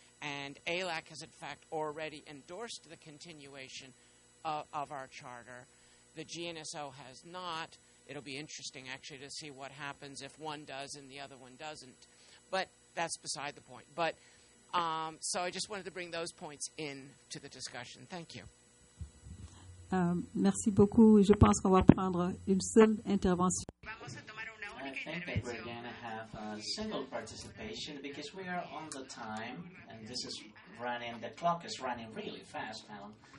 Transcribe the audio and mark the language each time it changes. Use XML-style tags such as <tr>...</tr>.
<en>And ALAC has, in fact, already endorsed the continuation of our charter. The GNSO has not. It'll be interesting, actually, to see what happens if one does and the other one doesn't. But that's beside the point. But so I just wanted to bring those points in to the discussion. Thank you.</en> <fr>Merci beaucoup. Je pense qu'on va prendre une seule intervention.</fr> <en>I think that we're going to have a single participation because we are on the time, and this is running, the clock is running really fast now.</en>